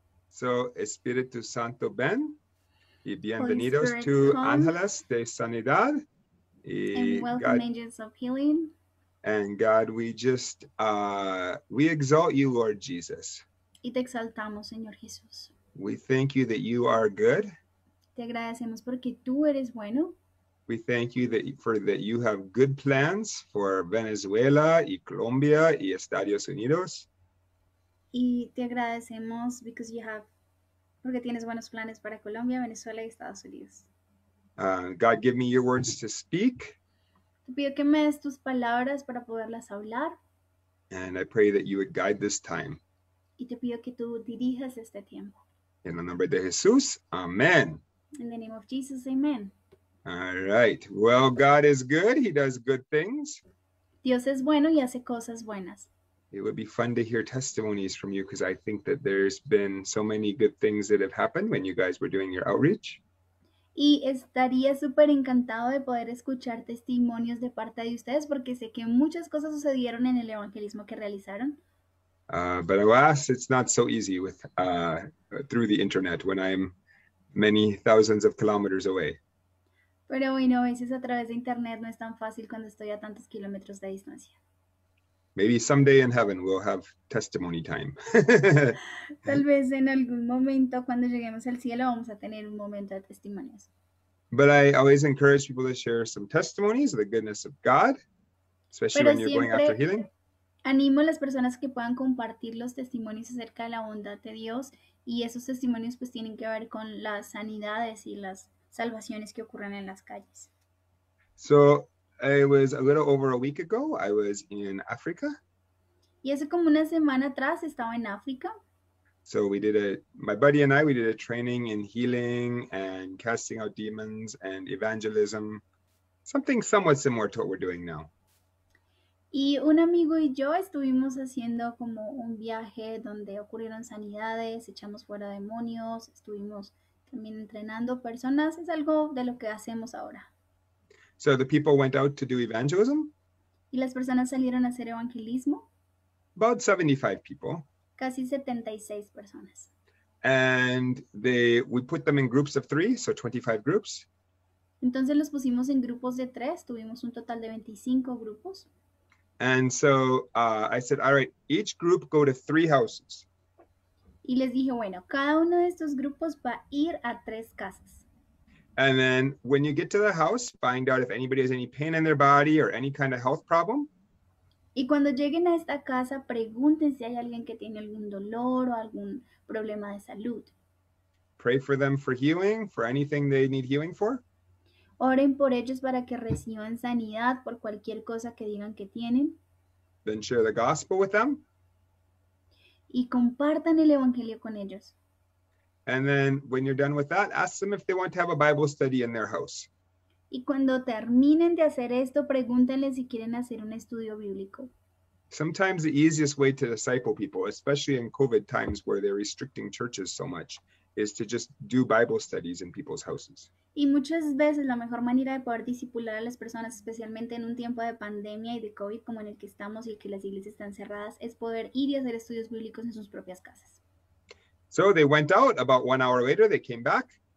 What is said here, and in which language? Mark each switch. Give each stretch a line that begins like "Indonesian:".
Spanish: So, Espíritu Santo, ven. Y bienvenidos
English: Spirit,
Spanish: to Ángeles de Sanidad. Y
English: and welcome, God, Angels of Healing. And God, we just, we exalt you, Lord Jesus.
Spanish: Y te exaltamos, Señor Jesús.
English: We thank you that you are good.
Spanish: Te agradecemos porque tú eres bueno.
English: We thank you that you have good plans for Venezuela y Colombia y Estados Unidos.
Spanish: Y te agradecemos
English: because you have,
Spanish: porque tienes buenos planes para Colombia, Venezuela y Estados Unidos.
English: God, give me your words to speak.
Spanish: Te pido que me des tus palabras para poderlas hablar.
English: And I pray that you would guide this time.
Spanish: Y te pido que tú dirijas este tiempo. En el nombre de Jesús, amén.
English: In the name of Jesus, amen. All right. Well, God is good. He does good things.
Spanish: Dios es bueno y hace cosas buenas.
English: It would be fun to hear testimonies from you because I think that there's been so many good things that have happened when you guys were doing your outreach.
Spanish: Y estaría súper encantado de poder escuchar testimonios de parte de ustedes porque sé que muchas cosas sucedieron en el evangelismo que realizaron.
English: But alas, it's not so easy with through the internet when I'm many thousands of kilometers away.
Spanish: Pero bueno, a veces a través de internet no es tan fácil cuando estoy a tantos kilómetros de distancia.
English: Maybe someday in heaven we'll have testimony time.
Spanish: Tal vez en algún momento cuando lleguemos al cielo vamos a tener un momento de testimonios.
English: But I always encourage people to share some testimonies of the goodness of God, especially
Spanish: Pero
English: when you're going after healing.
Spanish: Animo a las personas que puedan compartir los testimonios acerca de la bondad de Dios y esos testimonios pues tienen que ver con las sanidades y las salvaciones que ocurren en las calles.
English: So, it was a little over a week ago, I was in Africa.
Spanish: Y hace como una semana atrás estaba en África.
English: So we did my buddy and I, we did a training in healing and casting out demons and evangelism. Something somewhat similar to what we're doing now.
Spanish: Y un amigo y yo estuvimos haciendo como un viaje donde ocurrieron sanidades, echamos fuera demonios, estuvimos también entrenando personas, es algo de lo que hacemos ahora.
English: So the people went out to do evangelism.
Spanish: Y las personas salieron a hacer evangelismo.
English: About 75 people.
Spanish: Casi 76 personas.
English: And we put them in groups of three, so 25 groups.
Spanish: Entonces los pusimos en grupos de tres, tuvimos un total de 25 grupos.
English: And so I said, all right, each group go to three houses.
Spanish: Y les dije, bueno, cada uno de estos grupos va a ir a tres casas.
English: And then when you get to the house, find out if anybody has any pain in their body or any kind of health problem.
Spanish: Y cuando lleguen a esta casa, pregunten si hay alguien que tiene algún dolor o algún problema de salud.
English: Pray for them for healing, for anything they need healing for.
Spanish: Oren por ellos para que reciban sanidad por cualquier cosa que digan que tienen.
English: Then share the gospel with them.
Spanish: Y compartan el evangelio con ellos.
English: And then when you're done with that, ask them if they want to have a Bible study in their house.
Spanish: Y cuando terminen de hacer esto, pregúntenle si quieren hacer un estudio bíblico.
English: Sometimes the easiest way to disciple people, especially in COVID times where they're restricting churches so much, is to just do Bible studies in people's houses.
Spanish: Y muchas veces la mejor manera de poder discipular a las personas, especialmente en un tiempo de pandemia y de COVID como en el que estamos y que las iglesias están cerradas, es poder ir y hacer estudios bíblicos en sus propias casas.
English: So they went out, about 1 hour later they came back.